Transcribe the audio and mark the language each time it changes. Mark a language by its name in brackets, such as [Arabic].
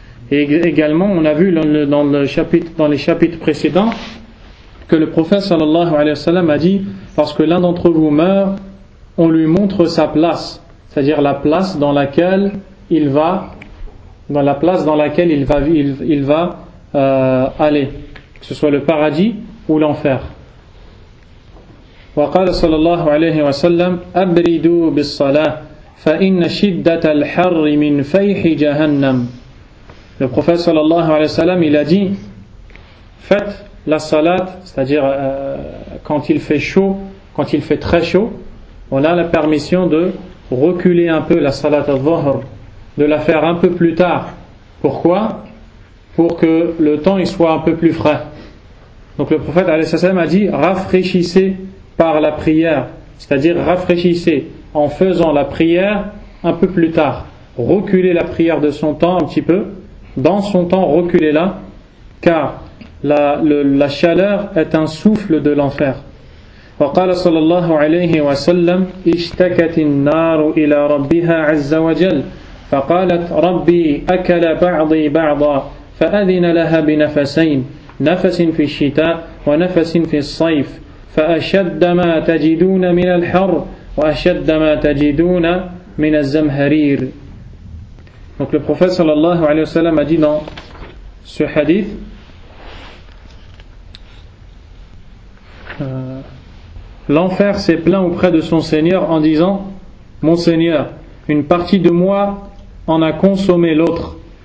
[French] Et également, on a vu dans les chapitres précédents que le prophète sallallahu alayhi wa sallam a dit « Lorsque l'un d'entre vous meurt, on lui montre sa place. » C'est-à-dire la place dans laquelle il va, dans la place dans laquelle il va aller, que ce soit le paradis ou l'enfer. [Arabic] وقال صلى الله عليه وسلم أبردوا بالصلاة فإن شدة الحر من فيح جهنم. [French] Le prophète صلى الله عليه وسلم il a dit faites la salat, c'est-à-dire quand il fait chaud, quand il fait très chaud, on a la permission de reculer un peu la salat al-dhuhr, de la faire un peu plus tard. Pourquoi? Pour que le temps il soit un peu plus frais. Donc le prophète alayhi salam a dit rafraîchissez par la prière, c'est-à-dire rafraîchissez en faisant la prière un peu plus tard, reculez la prière de son temps un petit peu, dans son temps reculez-la, car la chaleur est un souffle de l'enfer. [Arabic] وقال صلى الله عليه وسلم اشتكت النار إلى ربها عز وجل فقالت ربي أكل بعضي بعضا فأذن لها بنفسين نفس في الشتاء ونفس في الصيف فأشد ما تجدون من الحر وأشد ما تجدون من الزمهرير. [French] Donc le prophète صلى الله عليه وسلم a dit dans ce hadith l'enfer s'est plaint auprès de son Seigneur en disant « Mon Seigneur, une partie de moi en a consommé l'autre.